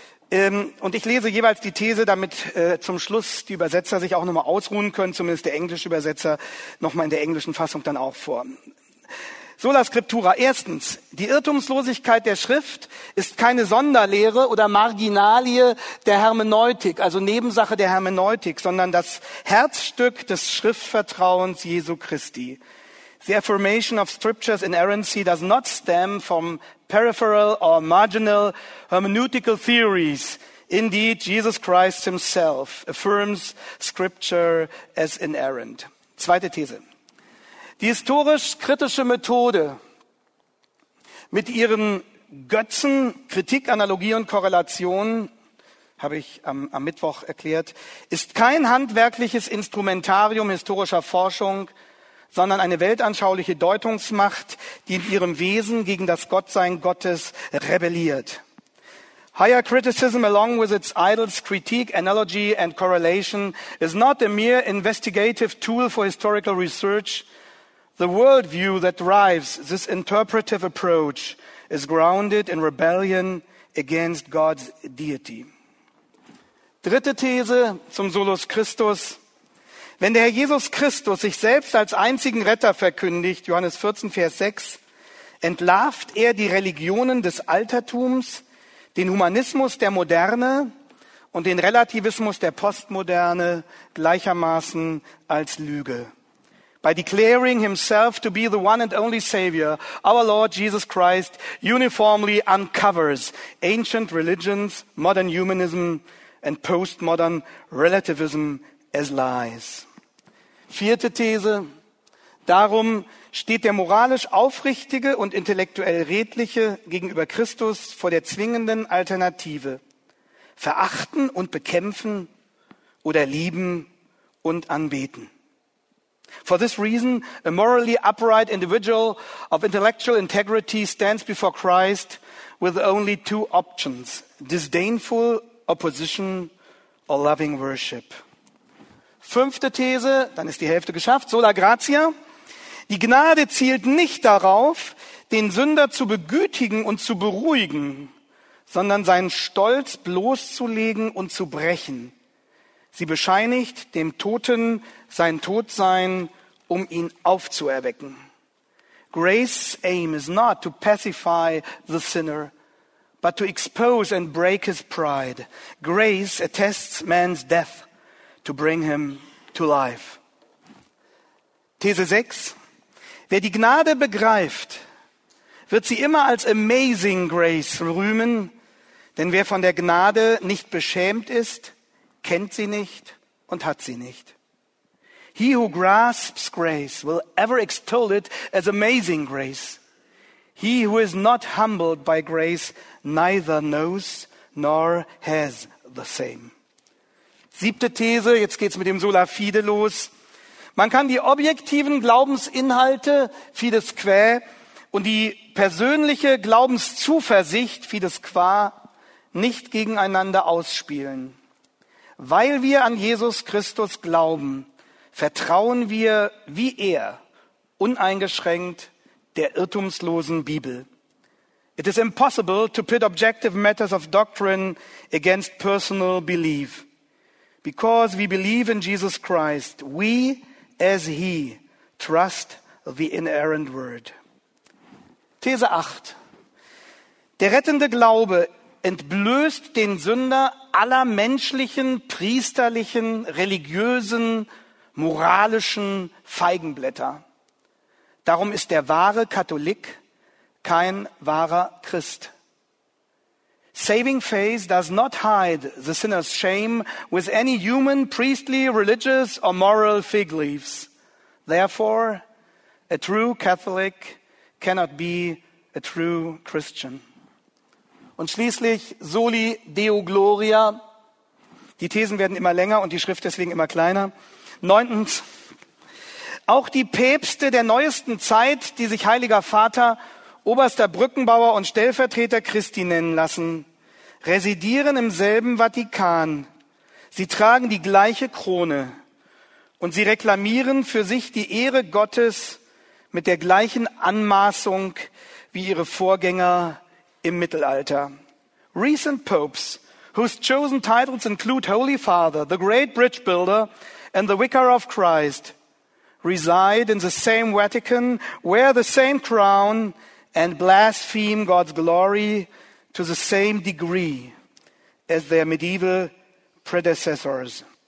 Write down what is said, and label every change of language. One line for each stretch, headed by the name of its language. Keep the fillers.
German: Ähm, und ich lese jeweils die These, damit äh, zum Schluss die Übersetzer sich auch nochmal ausruhen können, zumindest der englische Übersetzer nochmal in der englischen Fassung dann auch vor. Sola Scriptura. Erstens. Die Irrtumslosigkeit der Schrift ist keine Sonderlehre oder Marginalie der Hermeneutik, also Nebensache der Hermeneutik, sondern das Herzstück des Schriftvertrauens Jesu Christi.
English: The affirmation of scriptures inerrancy does not stem from peripheral or marginal hermeneutical theories. Indeed, Jesus Christ himself affirms scripture as inerrant.
German: Zweite These. Die historisch-kritische Methode mit ihren Götzen, Kritik, Analogie und Korrelation, habe ich am, am Mittwoch erklärt, ist kein handwerkliches Instrumentarium historischer Forschung, sondern eine weltanschauliche Deutungsmacht, die in ihrem Wesen gegen das Gottsein Gottes rebelliert.
English: Higher criticism along with its idols, critique, analogy and correlation is not a mere investigative tool for historical research. The worldview that drives this interpretive approach is grounded in rebellion against God's deity.
German: Dritte These zum Solus Christus. Wenn der Herr Jesus Christus sich selbst als einzigen Retter verkündigt, Johannes 14, Vers 6, entlarvt er die Religionen des Altertums, den Humanismus der Moderne und den Relativismus der Postmoderne gleichermaßen als Lüge.
English: By declaring himself to be the one and only Savior, our Lord Jesus Christ uniformly uncovers ancient religions, modern humanism and postmodern relativism as lies.
German: Vierte These. Darum steht der moralisch aufrichtige und intellektuell redliche gegenüber Christus vor der zwingenden Alternative. Verachten und bekämpfen oder lieben und anbeten.
English: For this reason, a morally upright individual of intellectual integrity stands before Christ with only two options, disdainful opposition or loving worship.
German: Fünfte These, dann ist die Hälfte geschafft, sola gratia. Die Gnade zielt nicht darauf, den Sünder zu begütigen und zu beruhigen, sondern seinen Stolz bloßzulegen und zu brechen. Sie bescheinigt dem Toten sein Todsein, um ihn aufzuerwecken.
English: Grace's aim is not to pacify the sinner, but to expose and break his pride. Grace attests man's death to bring him to life.
German: These sechs. Wer die Gnade begreift, wird sie immer als
English: amazing grace
German: rühmen, denn wer von der Gnade nicht beschämt ist, kennt sie nicht und hat sie nicht.
English: He who grasps grace will ever extol it as amazing grace. He who is not humbled by grace neither knows nor has the same.
German: Siebte These, jetzt geht's mit dem Sola Fide los. Man kann die objektiven Glaubensinhalte, Fides Quae, und die persönliche Glaubenszuversicht, Fides Qua, nicht gegeneinander ausspielen. Weil wir an Jesus Christus glauben, vertrauen wir wie er, uneingeschränkt, der irrtumslosen Bibel.
English: It is impossible to pit objective matters of doctrine against personal belief. Because we believe in Jesus Christ, we as he trust the inerrant word.
German: These 8. Der rettende Glaube entblößt den Sünder aller menschlichen, priesterlichen, religiösen, moralischen Feigenblätter. Darum ist der wahre Katholik kein wahrer Christ.
English: Saving faith does not hide the sinner's shame with any human, priestly, religious, or moral fig leaves. Therefore, a true Catholic cannot be a true Christian.
German: Und schließlich Soli Deo Gloria. Die Thesen werden immer länger und die Schrift deswegen immer kleiner. Neuntens. Auch die Päpste der neuesten Zeit, die sich Heiliger Vater, oberster Brückenbauer und Stellvertreter Christi nennen lassen, residieren im selben Vatikan. Sie tragen die gleiche Krone und sie reklamieren für sich die Ehre Gottes mit der gleichen Anmaßung wie ihre Vorgänger im Mittelalter.
English: Recent popes whose chosen titles include Holy Father, the Great Bridge Builder and the Vicar of Christ reside in the same Vatican, wear the same crown and blaspheme God's glory to the same degree as their medieval predecessors.